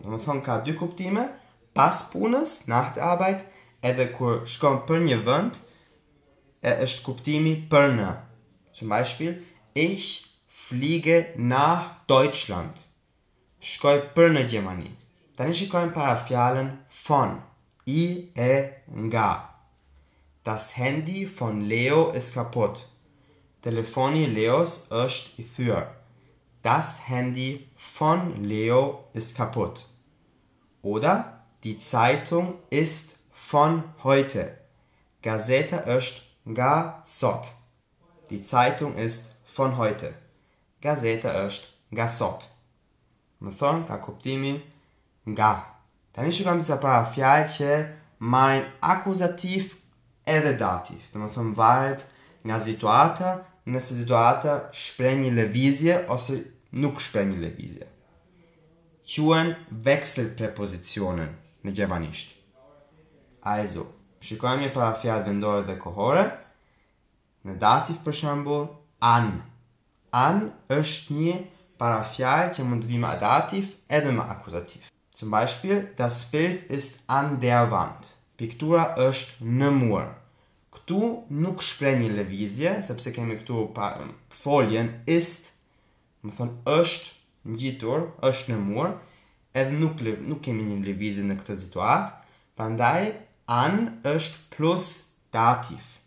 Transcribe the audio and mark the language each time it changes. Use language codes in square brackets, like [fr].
[sq] Do më thonë ka dy kuptime, pas punës, [de] nach der Arbeit, [sq] edhe kur shkon për një vënd, e është kuptimi për në. [de] Zum Beispiel, ich fliege nach Deutschland. [sq] Shkoj për në Gjermani. Tani shikojmë para fjallën von, i e nga. [de] Das Handy von Leo ist kaputt. [sq] Telefoni Leos është i thyrë. [de] Das Handy von Leo ist kaputt. Oder die Zeitung ist von heute. [sq] Gazeta ist nga sot. [de] Die Zeitung ist von heute. [sq] Gazeta ist nga sot. Më thonë ka kuptimi nga. Tani shikojmë disa parafjalë që marrin akuzativ edhe dativ. Do të thonë varet nga situata, nëse situata shpreh një lëvizje ose nuk shpreh një lëvizje. Quhen wechselprepositionen në gjermanisht. Also, shikojmë një parafjalë vendore dhe kohore. Në dativ për shembull, an. An është një parafjalë që mund të vijë me dativ edhe me akuzativ. [de] Zum Beispiel, das Bild ist an der Wand. [sq] Piktura është në mur. Ktu nuk shpreh një lëvizje, sepse kemi këtu foljen ist. Më thonë është ngjitur, është në mur, edhe nuk kemi një lëvizje në këtë situatë, prandaj an është plus dativ.